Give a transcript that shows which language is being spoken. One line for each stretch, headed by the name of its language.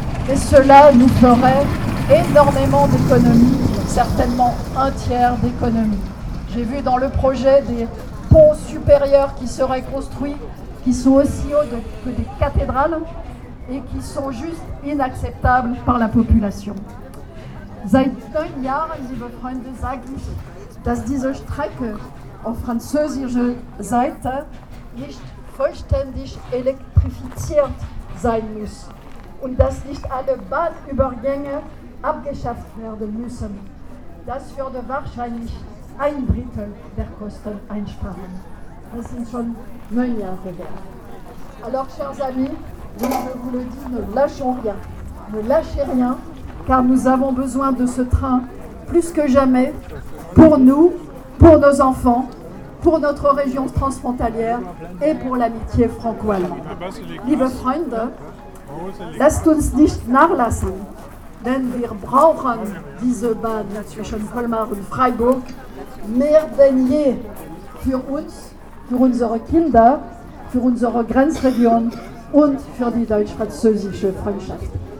French: Et cela nous ferait énormément d'économies, certainement un tiers d'économies. J'ai vu dans le projet des ponts supérieurs qui seraient construits, qui sont aussi hauts que des cathédrales et qui sont juste inacceptables par la population.
German: Seit 9 Jahren, liebe Freunde, sage ich, dass diese Strecke auf französischer Seite nicht vollständig elektrifiziert sein muss. Und dass nicht alle Bahnübergänge abgeschafft werden müssen. Das würde wahrscheinlich ein Drittel der Kosten einsparen. Das sind schon 9 Jahre her.
French: Alors, chers amis, je vous le dis, ne lâchons rien. Ne lâchez rien, car nous avons besoin de ce train plus que jamais pour nous, pour nos enfants, pour notre région transfrontalière et pour l'amitié franco-allemande.
German: Liebe Freunde, lasst uns nicht nachlassen, denn wir brauchen diese Bahn zwischen Colmar und Freiburg mehr denn je für uns, für unsere Kinder, für unsere Grenzregion und für die deutsch-französische Freundschaft.